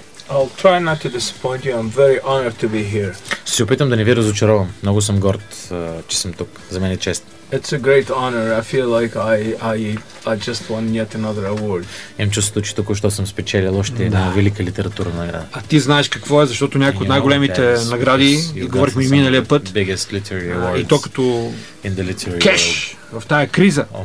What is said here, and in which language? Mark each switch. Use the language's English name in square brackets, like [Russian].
[English] I'll try not to disappoint you. I'm very honored to be here. [Bulgarian] Ще се опитам да не ви разочаровам. Много съм горд, че съм тук. За мен е чест. [English] It's a great honor. I feel like I just won yet another award. [Bulgarian] Имам чувството, че току-що съм спечелил още една велика литературна награда. А ти знаеш какво е, защото някои от най-големите награди, говорихме и миналия път, и то като кеш в тая криза.